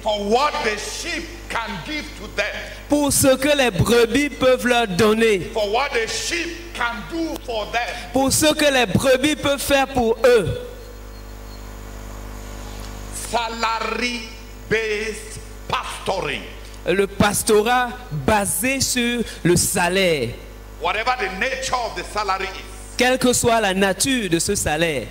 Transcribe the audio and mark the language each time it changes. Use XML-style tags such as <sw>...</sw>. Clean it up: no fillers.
<en>For what the sheep can give to them.</en> <fr>Pour ce que les brebis peuvent leur donner.</fr> <en>For what the sheep can do for them.</en> <fr>Pour ce que les brebis peuvent faire pour eux.</fr> <en>Salary based pastoring.</en> <fr>Le pastorat basé sur le salaire.</fr> <en>Whatever the nature of the salary is.</en> <fr>Quelle que soit la nature de ce salaire.</fr>